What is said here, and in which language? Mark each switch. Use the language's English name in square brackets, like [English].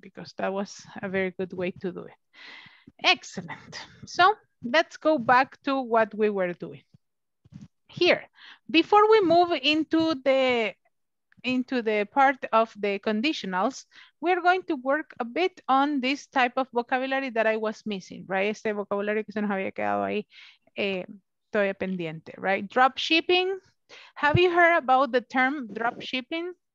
[English] Because that was a very good way to do it. Excellent. So, let's go back to what we were doing. Here, before we move into the part of the conditionals, we're going to work a bit on this type of vocabulary that I was missing, right? [Spanish] Este vocabulario que se nos había quedado ahí, todavía pendiente, right? [English] Drop shipping. Have you heard about the term drop shipping?